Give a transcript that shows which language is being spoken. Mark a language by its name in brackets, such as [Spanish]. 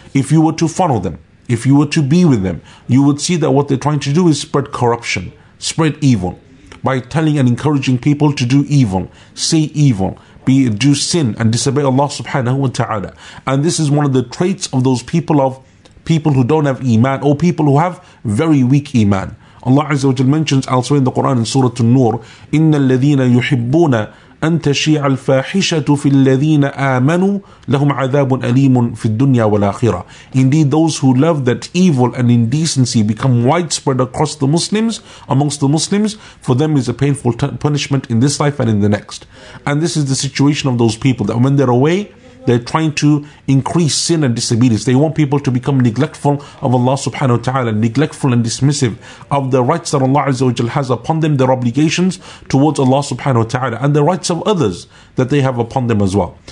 [English] If you were to follow them, if you were to be with them, you would see that what they're trying to do is spread corruption, spread evil, by telling and encouraging people to do evil, say evil, do sin and disobey Allah subhanahu wa ta'ala. And this is one of the traits of those people who don't have iman, or people who have very weak iman. Allah Azza wa Jal mentions elsewhere in the Quran in Surah An-Nur, [Arabic] إِنَّ الَّذِينَ يُحِبُّونَ أَن تَشِيعَ الْفَاحِشَةُ فِي الَّذِينَ آمَنُوا لَهُمْ عَذَابٌ أَلِيمٌ فِي الدُّنْيَا وَالْآخِرَةِ. [English] Indeed, those who love that evil and indecency become widespread across the Muslims, amongst the Muslims, for them is a painful punishment in this life and in the next. And this is the situation of those people, that when they're away, they're trying to increase sin and disobedience. They want people to become neglectful of Allah subhanahu wa ta'ala, neglectful and dismissive of the rights that Allah azza wa jal has upon them, their obligations towards Allah subhanahu wa ta'ala, and the rights of others that they have upon them as well.